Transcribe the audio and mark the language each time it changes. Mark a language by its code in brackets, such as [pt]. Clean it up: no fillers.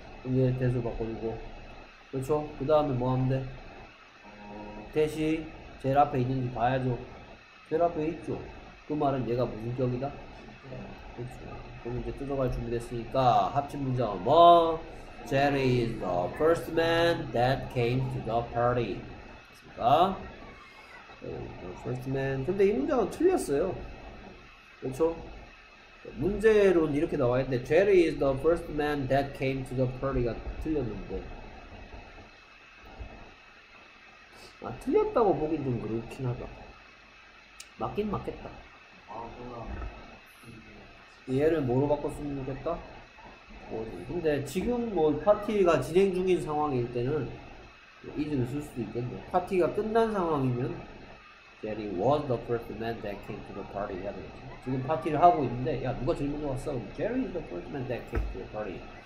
[ko] 그럼 얘 대수 바꿔주고. 그렇죠? 그 다음에 뭐 하면 돼? 대시 제일 앞에 있는지 봐야죠. 제일 앞에 있죠. 그 말은 얘가 무슨 격이다? 그렇죠. 그럼 이제 뜯어갈 준비됐으니까 합친 문장은 뭐? [en] Jerry is the first man that came to the party. [ko] 됐습니다. [en] The first man. [ko] 근데 이 문장은 틀렸어요. 그렇죠? 문제로는 이렇게 나와 있는데 [en] Jerry is the first man that came to the party [ko] 가 틀렸는데 아 틀렸다고 보긴 좀 그렇긴 하다. 맞긴 맞겠다. 아 그럼 얘를 뭐로 바꿨으면 좋겠다? 뭐, 근데 지금 뭐 파티가 진행 중인 상황일 때는 이즈를 쓸 수도 있겠네. 파티가 끝난 상황이면 [en] Jerry was the first man that came to the party [ko] 해야 되겠지. 지금 파티를 하고 있는데 야 누가 질문을 왔어? [en] Jerry is the first man that came to the party.